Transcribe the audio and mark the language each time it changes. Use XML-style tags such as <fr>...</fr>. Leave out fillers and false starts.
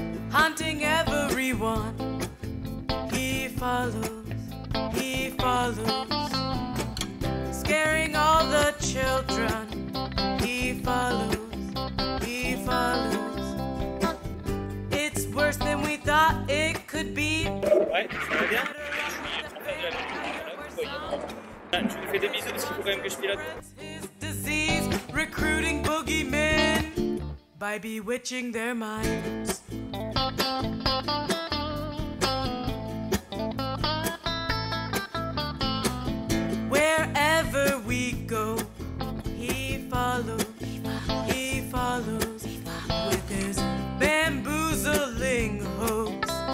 <en>Hunting everyone, he follows, he follows. Scaring all the children, he follows, he follows. It's worse than we thought it could be.</en> <fr>Ouais, ça va bien. Je vous fais des bisous parce qu'il faut quand même que je pilote.</fr> <en>Disease, recruiting boogeymen by bewitching their minds. Wherever we go, he follows, he follows, with his bamboozling hopes.</en>